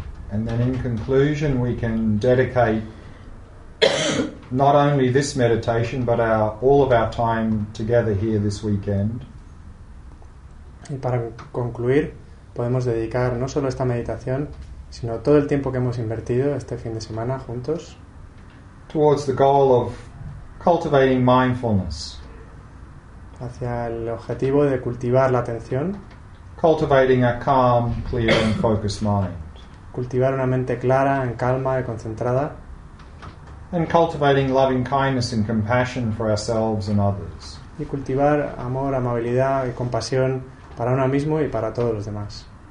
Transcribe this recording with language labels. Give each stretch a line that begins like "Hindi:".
English: And then in conclusion, we can dedicate not only this meditation, but all of our time together here this weekend.
Spanish: Y para concluir, podemos dedicar no solo esta meditación, sino todo el tiempo que hemos invertido este fin de semana juntos.
English: Towards the goal of cultivating mindfulness.
Spanish: Hacia el objetivo de cultivar la atención.
English: Cultivating a calm, clear and focused mind.
Spanish: Cultivar una mente clara, en calma y concentrada.
English: And cultivating loving kindness and compassion for ourselves and others.
Spanish: Y cultivar amor, amabilidad y compasión para uno mismo y para todos los demás.